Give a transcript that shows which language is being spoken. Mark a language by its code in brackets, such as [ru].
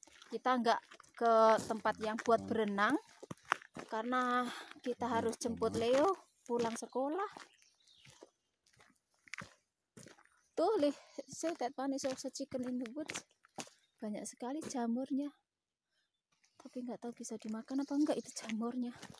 [id] Kita nggak ke tempat yang buat berenang, karena kita harus jemput Leo pulang sekolah. [en] Tuh, see that one is also chicken in the woods. [id] Banyak sekali jamurnya, tapi nggak tahu bisa dimakan apa enggak itu jamurnya.